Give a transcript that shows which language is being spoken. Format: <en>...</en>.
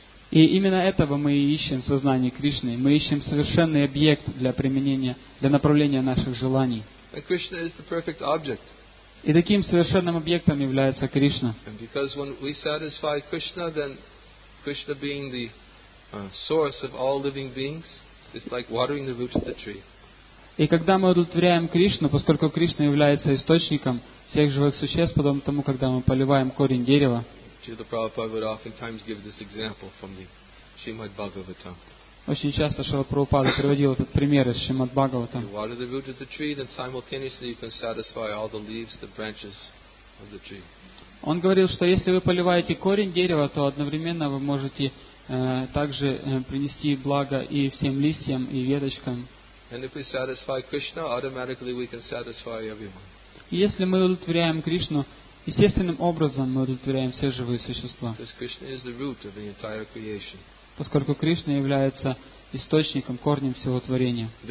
<ru>И именно этого мы и ищем в сознании Кришны. Мы ищем совершенный объект для применения, для направления наших желаний.</ru> <en>And Krishna is the perfect object.</en> <ru>И таким совершенным объектом является Кришна.</ru> <en>And because when we satisfy Krishna, then Krishna being the source of all living beings, it's like watering the root of the tree.</en> <ru>И когда мы удовлетворяем Кришну, поскольку Кришна является источником всех живых существ, подобно тому, когда мы поливаем корень дерева.</ru> <en>Srila Prabhupada would oftentimes give this example from the Srimad Bhagavatam.</en> <ru>Очень часто Шрила Прабхупада приводил этот пример из Шримад Бхагаватам.</ru> <en>You water the root of the tree, then simultaneously you can satisfy all the leaves, the branches of the tree.</en> <ru>Он говорил, что если вы поливаете корень дерева, то одновременно вы можете также принести благо и всем листьям, и веточкам.</ru> <en>And if we satisfy Krishna, automatically we can satisfy everyone.</en> <ru>Если мы удовлетворяем Кришну, естественным образом мы удовлетворяем все живые существа.</ru> <en>Because Krishna is the root of the entire creation.</en> <ru>Поскольку Кришна является источником, корнем всего творения.</ru>